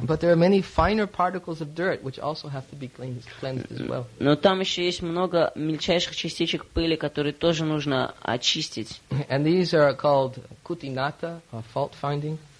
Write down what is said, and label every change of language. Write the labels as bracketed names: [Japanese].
[English] But there are many finer particles of dirt which also have to be cleansed as well. [Russian] Но там еще есть много мельчайших частичек пыли, которые тоже нужно очистить. [English] And these are called kutinata, or fault finding.